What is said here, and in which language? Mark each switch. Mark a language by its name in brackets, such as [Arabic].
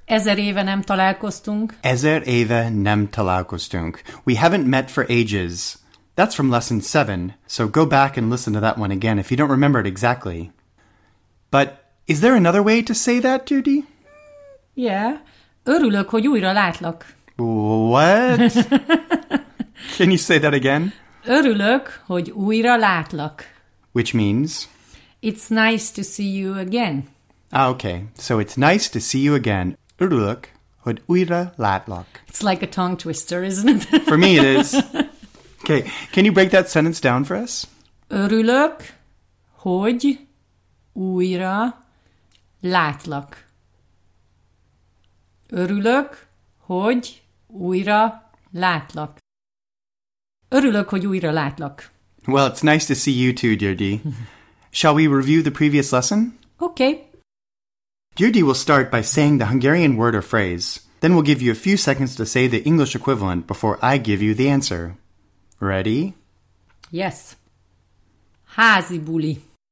[Hungarian] Ezer éve nem találkoztunk. Ezer éve nem találkoztunk. [English] We haven't met for ages. That's from lesson 7, so go back and listen to that one again if you don't remember it exactly. But is there another way to say that, Judy? Yeah. [Hungarian] Örülök, hogy újra látlak. [English] What? Can you say that again? [Hungarian] Örülök, hogy újra látlak. [English] Which means? It's nice to see you again. Ah, okay. So it's nice to see you again. [Hungarian] Örülök, hogy újra látlak. [English] It's like a tongue twister, isn't it? For me, it is. Okay, can you break that sentence down for us? [Hungarian] Örülök, hogy újra látlak. Örülök, hogy újra látlak. Örülök, hogy újra látlak. [English] Well, it's nice to see you too, Gyurgy. Shall we review the previous lesson? Okay. Gyurgy will start by saying the Hungarian word or phrase, then we'll give you a few seconds to say the English equivalent before I give you the answer. Ready? Yes. [Hungarian] Házi buli.